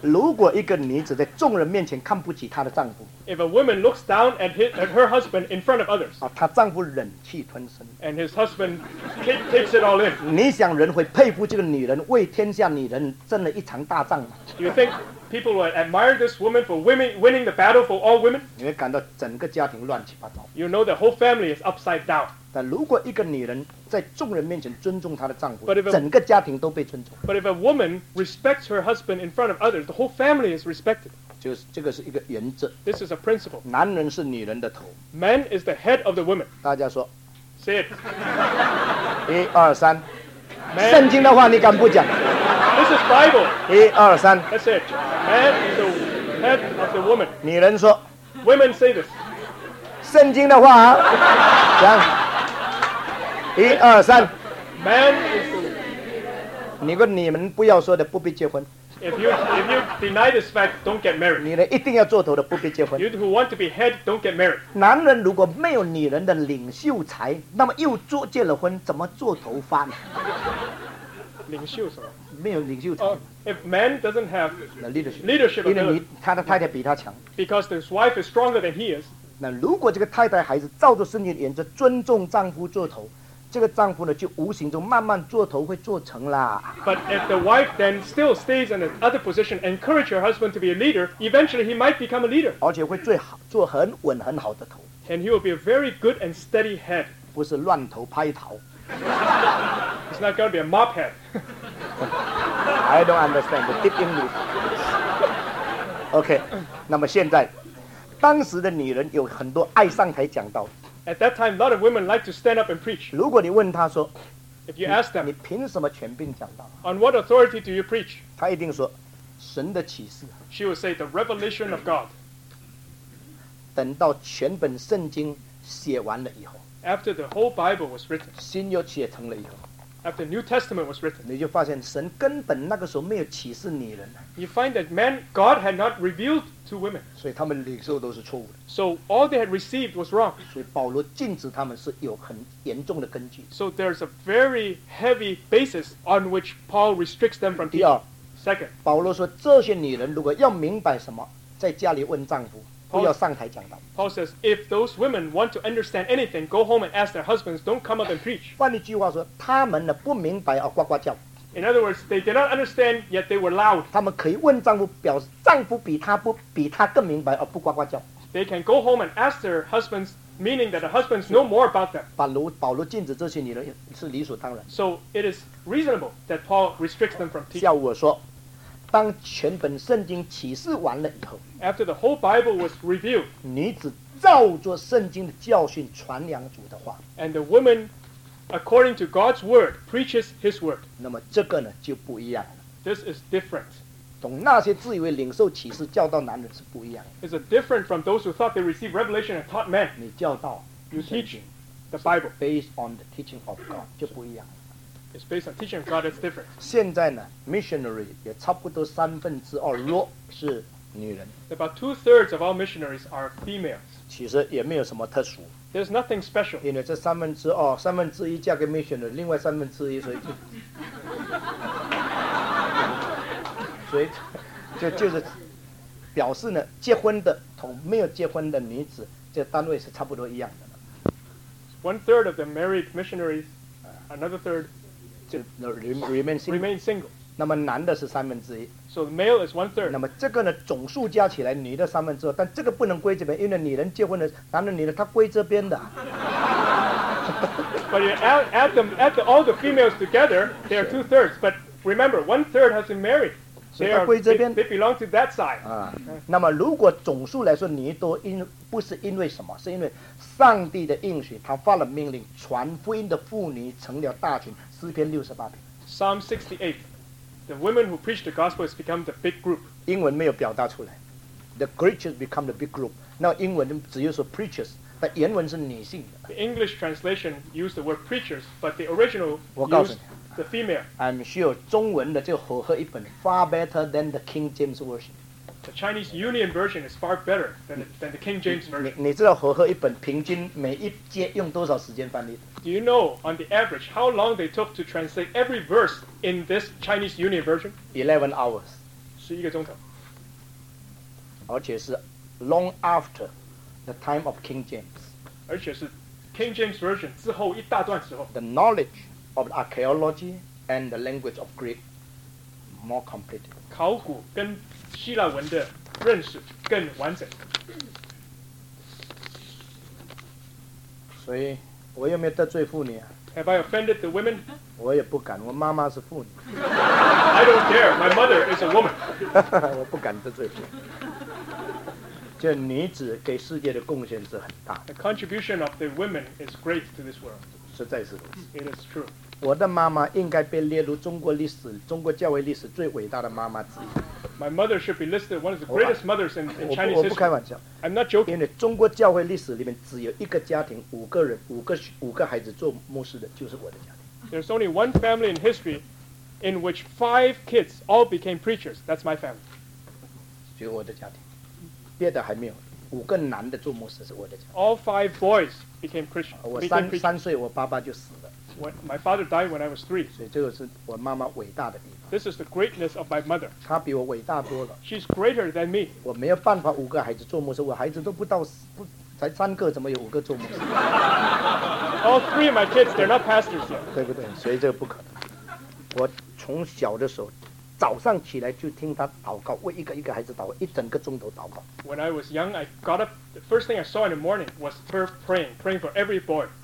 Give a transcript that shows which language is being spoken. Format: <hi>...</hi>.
<zh>如果一个女子在众人面前看不起她的丈夫</zh> <en>，If a woman looks down at her husband in front of others,</en> <zh>啊，她丈夫忍气吞声</zh> <en>，and his husband takes it all in.</en> <zh>你想人会佩服这个女人为天下女人争了一场大仗吗</zh> <en>？You think people will admire this woman for women winning the battle for all women?</en> <zh>你会感到整个家庭乱七八糟。</zh> <en>You know the whole family is upside down.</en> <zh>但如果一个女人在众人面前尊重她的丈夫，整个家庭都被尊重。</zh> <en>But if a woman respects her husband in front of others, the whole family is respected.</en> <zh>就是这个是一个原则。</zh> <en>This is a principle.</en> <zh>男人是女人的头。</zh> <en>Man is the head of the woman.</en> <zh>大家说。</zh> <en>Say it.</en> <zh>一二三。圣经的话你敢不讲？</zh> <en>This is Bible.</en> <zh>一二三。</zh> <en>That's it. Man is the head of the woman.</en> <zh>女人说。</zh> <en>Women say this.</en> <zh>圣经的话啊，讲。一二三</zh> <en>，Man is the.</en> <zh>你问你们不要说的，不必结婚。</zh> <en>If you deny this fact, don't get married.</en> <zh>女人一定要做头的，不必结婚。</zh> <en>You who want to be head, don't get married.</en> <zh>男人如果没有女人的领袖才，那么又做结了婚，怎么做头发呢？领袖什么？没有领袖才。</zh> <en>If man doesn't have leadership,</en> <zh>因为他的太太比他强。</zh> <en>Because his wife is stronger than he is.</en> <zh>那如果这个太太还是照着圣经原则尊重丈夫做头？这个丈夫呢，就无形中慢慢做头会做成啦。</zh> <en>But if the wife then still stays in the other position, encourage her husband to be a leader, eventually he might become a leader.</en> <zh>而且会最好做很稳很好的头。</zh> <en>And he will be a very good and steady head.</en> <zh>不是乱头拍头。</zh> <en>It's not going to be a mop head. I don't understand the deep English. Okay,</en> <zh>那么现在，当时的女人有很多爱上台讲道。</zh> <en>At that time, a lot of women like to stand up and preach.</en> <zh>如果你问他说,</zh> <en>if you ask them,</en> <zh>你凭什么权柄讲道?</zh> <en>On what authority do you preach?</en> <zh>他一定说, 神的启示。</zh> <en>She will say, the revelation of God.</en> <zh>等到全本圣经写完了以后,</zh> <en>after the whole Bible was written,</en> <zh>新约写成了以后,</zh> <en>after the New Testament was written,</en> <zh>你就发现神根本那个时候没有启示女人。</zh> <en>You find that man, God had not revealed two women.</en> <zh>所以他们领受都是错误的。</zh> <en>So all they had received was wrong.</en> <zh>所以保罗禁止他们是有很严重的根据。</zh> <en>So there's a very heavy basis on which Paul restricts them from teaching.</en> <zh>第二,</zh> <en>Second,</en> <zh>保罗说这些女人如果要明白什么在家里问丈夫</zh> <en>Paul,</en> <zh>不要上台讲道。</zh> <en>Paul says if those women want to understand anything go home and ask their husbands don't come up and preach.</en> <zh>换一句话说他们呢不明白而呱呱叫。</zh> <en>In other words, they did not understand, yet they were loud.</en> <zh>他们可以问丈夫，表示丈夫比他更明白，而不呱呱叫。</zh> <en>They can go home and ask their husbands, meaning that the husbands know more about them.</en> <zh>保罗禁止这些女人是理所当然。</zh> <en>So it is reasonable that Paul restricts them from teaching.</en> <zh>叫我说，当全本圣经启示完了以后</zh> <en>，After the whole Bible was revealed,</en> <zh>女子照着圣经的教训传扬主的话</zh> <en>，And the women. According to God's word, preaches His word.</en> <zh>那么这个呢就不一样了。</zh> <en>This is different.</en> <zh>同那些自以为领受启示教导男人是不一样的。</zh> <en>It's different from those who thought they received revelation and taught men.</en> <zh>你教导</zh> <en>，you teach the Bible based on the teaching of God</en> <zh>就不一样了。</zh> <en>It's based on teaching of God. It's different.</en> <zh>现在呢 ，missionary 也差不多三分之二若是女人。</zh> <en>About two-thirds of all missionaries are females.</en> <zh>其实也没有什么特殊。</zh> <en>There's nothing special.</en> <zh>因为这三分之二，三分之一嫁给 missionary， 另外三分之一，所以就，所以就是表示呢，结婚的同没有结婚的女子，这单位是差不多一样的。</zh> <en>One third of the married missionaries, another third,</en> <zh>就</zh> <en>remain single. Remain single.</en> <zh>那么男的是三分之一。</zh> <en>So the male is one third.</en> <zh>那么这个呢，总数加起来，女的三分之二，但这个不能归这边，因为女人结婚的，男的女的，他归这边的。</zh> <en>But you add them, add all the females together, they are two thirds. But remember, one third has been married. They belong to that side.</en> <zh>那么如果总数来说，你都因不是因为什么，是因为上帝的应许，他发了命令，传福音的妇女成了大群。诗篇六十八篇。</zh> <en>Psalm 68, the women who preach the gospel has become the big group.</en> <zh>英文没有表达出来。</zh> <en>The preachers become the big group.</en> <zh>那英文只有说 preachers。但原文是女性的。</zh> <en>The English translation used the word preachers, but the original used the female. I'm sure</en> <zh>中文的这个和合一本</zh> <en>far better than the King James Version. The Chinese Union Version is far better than the King James Version.</en> <zh>你知道和合一本平均每一节用多少时间翻译？</zh> <en>Do you know on the average how long they took to translate every verse in this Chinese Union Version? 11 hours.</en> <zh>11个钟头。而且是</zh> <en>long after. The time of King James.</en> <zh>而且是 King James Version 之后一大段时候。</zh> <en>The knowledge of archaeology and the language of Greek more complete.</en> <zh>考古跟希腊文的认识更完整。所以我有没有得罪妇女啊？</zh> <en>Have I offended the women?</en> <zh>我也不敢，我妈妈是妇女。</zh> <en>I don't care, my mother is a woman.</en> <zh>我不敢得罪妇女。这女子给世界的贡献是很大。</zh> <en>The contribution of the women is great to this world.</en> <zh>实在是如此。</zh> <en>It is true.</en> <zh>我的妈妈应该被列入中国历史、中国教会历史最伟大的妈妈之一。</zh> <en>My mother should be listed one of the greatest mothers in Chinese history.</en> <zh>我不开玩笑。</zh> <en>I'm not joking.</en> <zh>因为中国教会历史里面只有一个家庭，五个人，五个孩子做牧师的，就是我的家庭。</zh> <en>There's only one family in history in which five kids all became preachers. That's my family.</en> <zh>就我的家庭。别的还没有，五个男的做牧师是我的家。</zh> <en>All five boys became Christian.</en> <zh>我三岁，我爸爸就死了。</zh> <en>My father died when I was three.</en> <zh>所以这个是我妈妈伟大的地方。</zh> <en>This is the greatness of my mother.</en> <zh>她比我伟大多了。</zh> <en>She's greater than me.</en> <zh>我没有办法五个孩子做牧师，我孩子都不到不才三个，怎么有五个做牧师</zh> <en>？All three of my kids, they're not pastors yet.</en> <zh>对不对？所以这个不可能。我从小的时候。早上起来就听他祷告，为一个一个孩子祷告，一整个钟头祷告。</zh> <en>When I was young, I got up. The first thing I saw in the morning was her praying for every boy.</en>